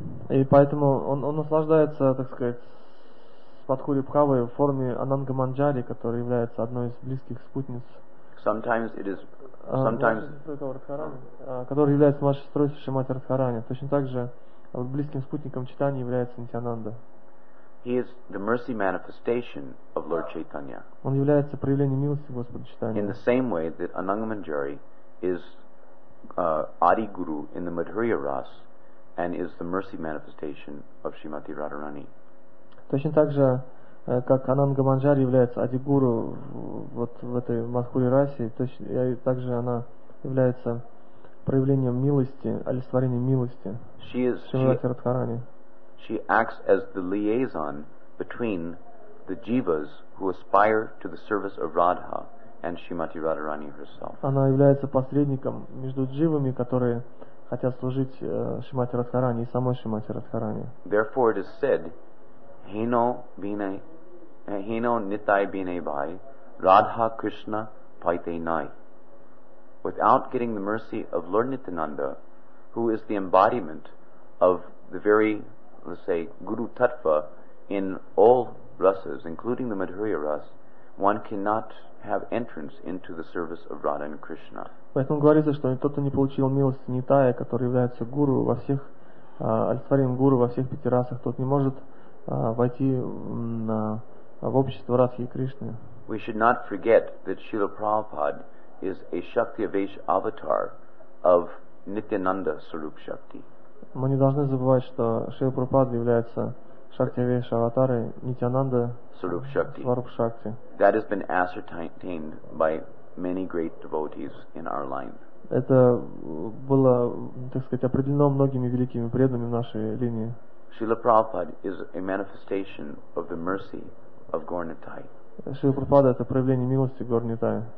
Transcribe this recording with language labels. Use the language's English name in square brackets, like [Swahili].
[Russian] И поэтому он наслаждается, так сказать, Мадхури Бхавой в форме Ананга Манджари, которая является одной из близких спутниц. [English] Sometimes it is [Russian] который является вашей устройствующей мать Радхарани. Точно так же близким спутником читания является Нитянанда. [English] He is the mercy manifestation of Lord Chaitanya. [Russian] Он является проявлением милости Господа Читания. [English] In the same way that Anangamanjari is Adi Guru in the Madhurya Ras and is the mercy manifestation of Shrimati Radharani. [Russian] Точно так же, как Анангаманджари является Ади Гуру вот в этой Мадхури Расе, точно так же она является проявлением милости, олицетворением милости Шримати Радхарани. [English] She acts as the liaison between the jivas who aspire to the service of Radha and Shrimati Radharani herself. [Russian] Она является посредником между дживами, которые хотят служить Шримати Радхарани и самой Шримати Радхарани. [English] Therefore, it is said, [Bangla] "Hino nitai bine bhai, Radha Krishna paite nai." [English] Without getting the mercy of Lord Nityananda, who is the embodiment of the very, let's say, Guru Tattva in all rasas, including the Madhurya Ras, one cannot have entrance into the service of Radha and Krishna. [Russian] Поэтому говорится, что тот, кто не получил милости Нитая, который является гуру во всех олицетворением гуру во всех пяти расах, тот не может войти в общество Радхи и Кришны. [English] We should not forget that Srila Prabhupada is a Shakti Avesh avatar of Nityananda Sarup Shakti. [Russian] Мы не должны забывать, что Шрила Прабхупада является Шактивейш Аватарой Нитянанда Сваруп Шакти. Сваруп Шакти. [English] That has been ascertained by many great devotees in our line. [Russian] Это было, так сказать, определено многими великими преданными в нашей линии. [English] Шрила Прабхупада is a manifestation of the mercy of Gaur Nitai. [Russian] Шрила Прабхупада — это проявление милости Гаур Нитай.